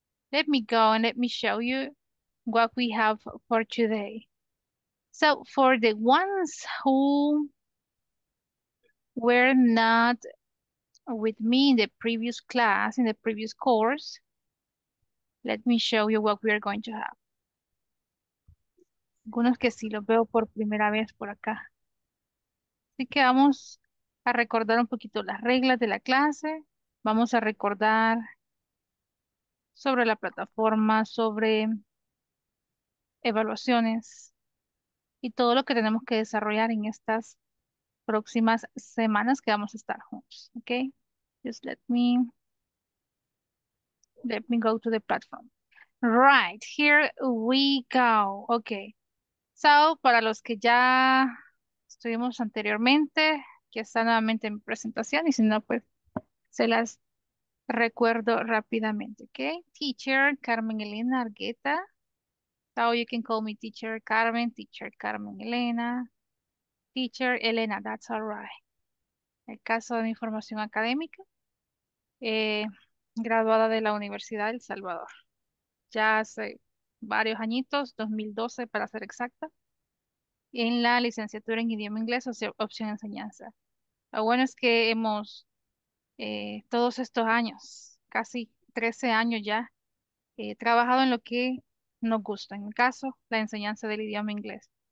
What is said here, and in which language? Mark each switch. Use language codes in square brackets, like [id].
[en] Let me go and let me show you what we have for today. So, for the ones who were not with me in the previous class, in the previous course, let me show you what we are going to have. [es] Algunos que sí los veo por primera vez por acá. Así que vamos a recordar un poquito las reglas de la clase. Vamos a recordar sobre la plataforma, sobre evaluaciones. Y todo lo que tenemos que desarrollar en estas próximas semanas que vamos a estar juntos. [en] Ok. Just let me go to the platform. Right. Here we go. Ok. [es] So, para los que ya estuvimos anteriormente, aquí está nuevamente en mi presentación. Y si no, pues se las recuerdo rápidamente. [en] Ok. Teacher Carmen Elena Argueta. So you can call me Teacher Carmen Elena, Teacher Elena, that's all right. [es] En el caso de mi formación académica, graduada de la Universidad del Salvador. Ya hace varios añitos, 2012 para ser exacta, en la licenciatura en idioma inglés, o sea, opción enseñanza. Lo bueno es que hemos, todos estos años, casi 13 años ya, trabajado en lo que nos gusta, en mi caso, la enseñanza del idioma inglés.